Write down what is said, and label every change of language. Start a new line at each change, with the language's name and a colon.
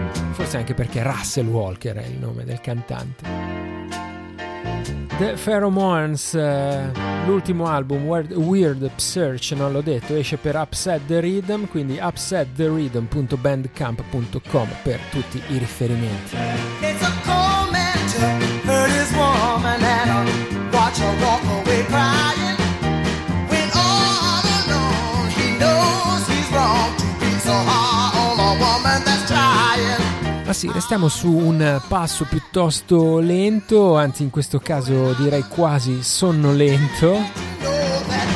Italian: Forse anche perché Russell Walker è il nome del cantante. The Pheromones, l'ultimo album, Weird Search, non l'ho detto, esce per Upset The Rhythm, quindi upsettherhythm.bandcamp.com per tutti i riferimenti.
English: It's a cold man to hurt his woman and watch her walk away crying. When all alone he knows he's wrong to be so hard on a woman that's trying.
Italian: Ma sì, restiamo su un passo piuttosto lento, anzi in questo caso direi quasi sonnolento.